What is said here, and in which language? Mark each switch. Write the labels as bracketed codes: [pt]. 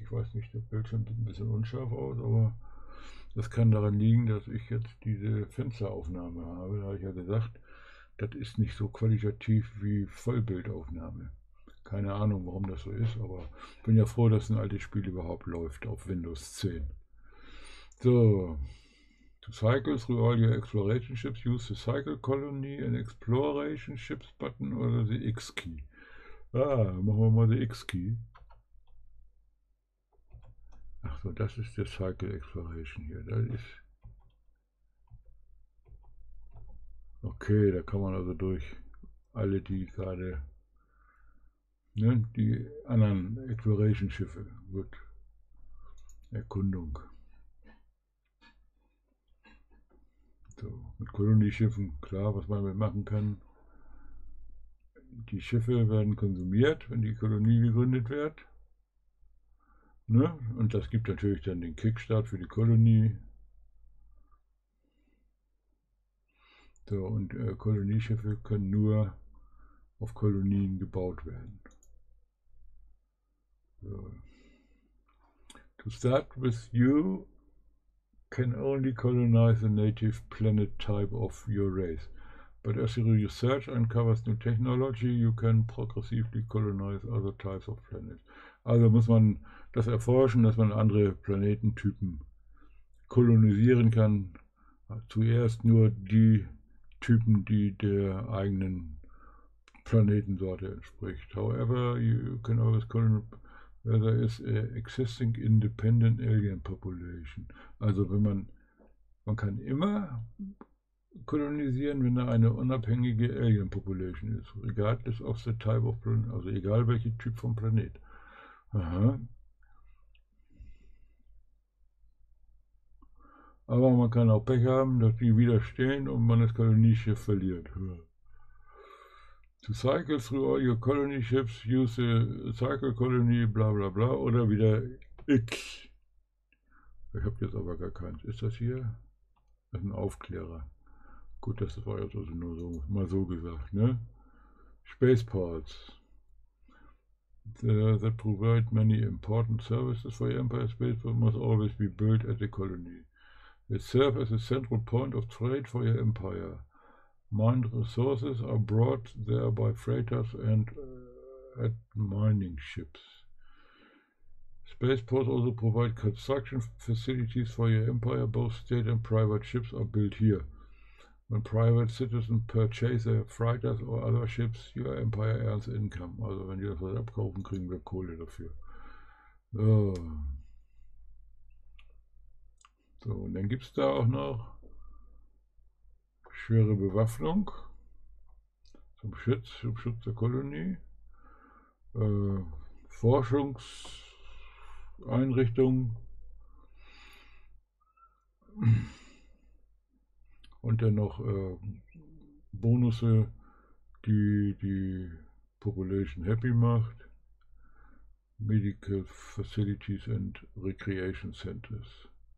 [de] Ich weiß nicht, der Bildschirm sieht ein bisschen unscharf aus, aber. Das kann daran liegen, dass ich jetzt diese Fensteraufnahme habe. Da habe ich ja gesagt, das ist nicht so qualitativ wie Vollbildaufnahme. Keine Ahnung, warum das so ist, aber ich bin ja froh, dass ein altes Spiel überhaupt läuft auf Windows 10. [en] So, to cycle through all your exploration ships, use the cycle colony and exploration ships button oder the X key. [de] Ah, machen wir mal [en] the X key. [de] Ach so, das ist der Cycle Exploration hier. Das ist okay, da kann man also durch alle die gerade, ne, die anderen Exploration Schiffe. Gut. Erkundung. So, mit Kolonieschiffen, klar, was man damit machen kann. Die Schiffe werden konsumiert, wenn die Kolonie gegründet wird. Ne? Und das gibt natürlich dann den Kickstart für die Kolonie. So, und Kolonieschiffe können nur auf Kolonien gebaut werden. So. [en] To start with, you can only colonize the native planet type of your race. But as your research uncovers new technology, you can progressively colonize other types of planets. [de] Also muss man das erforschen, dass man andere Planetentypen kolonisieren kann. Zuerst nur die Typen, die der eigenen Planetensorte entspricht. [en] However, you can always [de] Ja, da ist [en] existing independent alien population. [de] Also wenn man kann immer kolonisieren, wenn da eine unabhängige alien population ist, [en] regardless of the type of planet, [de] also egal welcher Typ vom Planet. Aha. Aber man kann auch Pech haben, dass die widerstehen und man das Kolonieschiff verliert. [en] Ja. To cycle through all your colony ships, use the cycle colony, bla bla bla, [de] oder wieder X. Ich habe jetzt aber gar keins. Ist das hier? Das ist ein Aufklärer. Gut, das war jetzt also nur so, mal so gesagt, ne? [en] Spaceports. That provide many important services for your Empire Space, but must always be built at the colony. They serve as a central point of trade for your Empire. Mined resources are brought there by freighters and at mining ships. Spaceports also provide construction facilities for your empire. Both state and private ships are built here. When private citizens purchase their freighters or other ships, your empire earns income. [de] Also wenn die das was abkaufen, kriegen wir Kohle dafür. So, und dann gibt es da auch noch schwere Bewaffnung zum Schutz der Kolonie, Forschungseinrichtungen, und dann noch Bonusse, die Population happy macht, [en] Medical Facilities and Recreation Centers.